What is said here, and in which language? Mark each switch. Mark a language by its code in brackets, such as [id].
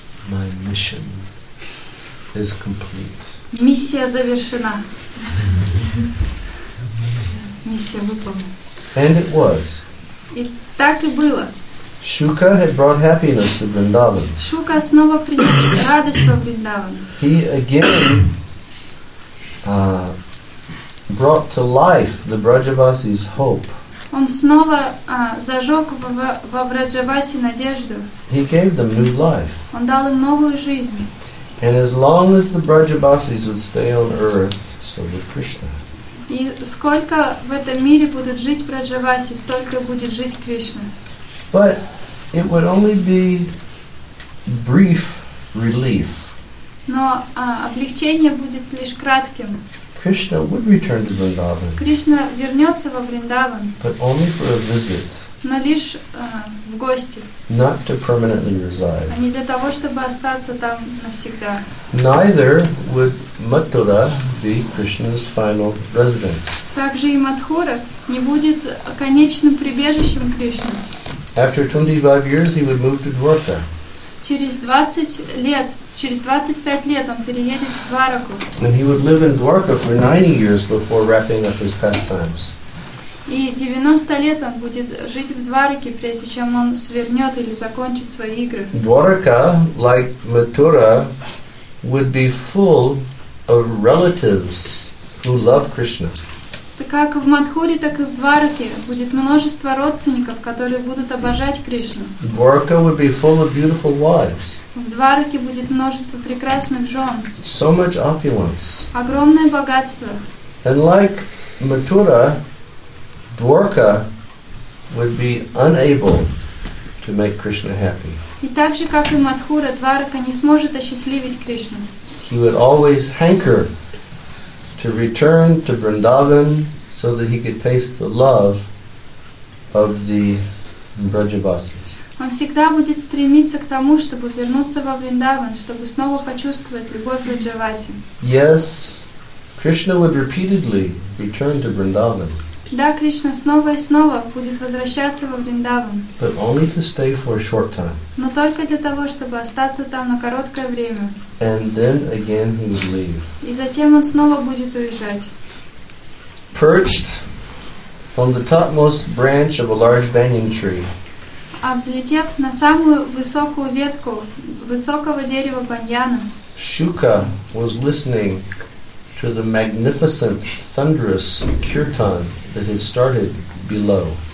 [en] my mission is complete. [ru] Миссия завершена. Миссия выполнена. [en] And it was. [ru] И так и было. [en] Shuka had brought happiness to Vrindavan. [ru] Шука снова принес радость во Вриндаван. [en] He again brought to life the Vrajavasi's hope. [ru] Он снова зажег во Враджаваси надежду. [en] He gave them new life. [ru] Он дал им новую жизнь. [en] And as long as the Vrajavasis would stay on earth, so would Krishna. [ru] И сколько в этом мире будут жить Враджаваси, столько будет жить Кришна. [en] But it would only be brief relief. [ru] Но облегчение будет лишь кратким. [en] Krishna would return to Vrindavan. [ru] Кришна вернется во Вриндаван. [en] But only for a visit. [ru] Но лишь в гости. [en] Not to permanently reside. [ru] А не для того, чтобы остаться там навсегда. [en] Neither would Mathura be Krishna's final residence. [ru] Также и Матхура не будет конечным прибежищем Кришны. [en] After 25 years, he would move to Dwarka. [ru] Через 20 лет, через 25 лет он переедет в Двараку. [en] And he would live in Dwarka for 90 years before wrapping up his pastimes. [ru] И 90 лет он будет жить в Двараке, прежде чем он свернет или закончит свои игры. [en] Dwarka, like Mathura, would be full of relatives who love Krishna. [ru] Как в Матхуре, так и в Двараке будет множество родственников, которые будут обожать Кришну. [en] Dwarka would be full of beautiful wives. [ru] В Двараке будет множество прекрасных жен. [en] So much opulence. [ru] Огромное богатство. [en] And like Mathura, Dwarka would be unable to make Krishna happy. [ru] И так же, как и Матхура, Дварака не сможет осчастливить Кришну. [en] He would always hanker to return to Vrindavan so that he could taste the love of the Vrajavasis. [ru] Он всегда будет стремиться к тому, чтобы вернуться во Вриндаван, чтобы снова почувствовать любовь Враджаваси. [en] Yes, Krishna would repeatedly return to Vrindavan. [ru] Да, Кришна снова и снова будет возвращаться во Вриндаван. [en] But only to stay for a short time. [ru] Но только для того, чтобы остаться там на короткое время. [en] And then again he would leave. [ru] И затем он снова будет уезжать. [en] Perched on the topmost branch of a large banyan tree. [ru] А взлетев на самую высокую ветку высокого дерева баньяна. [en] Shuka was listening to the magnificent thunderous kirtan that had started below.